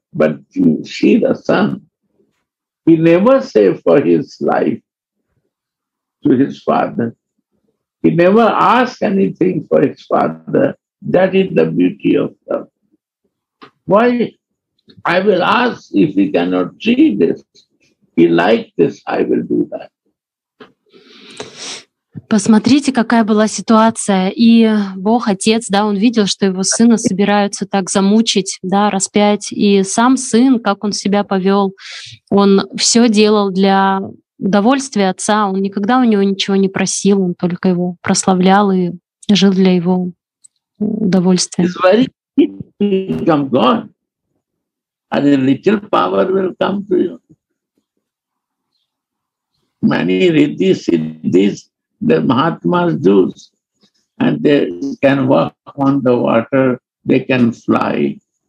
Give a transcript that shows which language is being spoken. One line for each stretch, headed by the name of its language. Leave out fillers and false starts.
English: But you see the son, he never say for his life to his father. He never ask anything for his father. That is the beauty of love. Why? I will ask if he cannot see this. He like this, I will do that.
Russian: Посмотрите, какая была ситуация. И Бог, Отец, да, он видел, что его сына собираются так замучить, да, распять. И сам сын, как он себя повел, он все делал для удовольствия отца. Он никогда у него ничего не просил, он только его прославлял и жил для его удовольствия.
English: It's very easy to become God. And a little power will come to you. Many riddhis, siddhis, the Mahatmas do, and they can walk on the water, they can fly.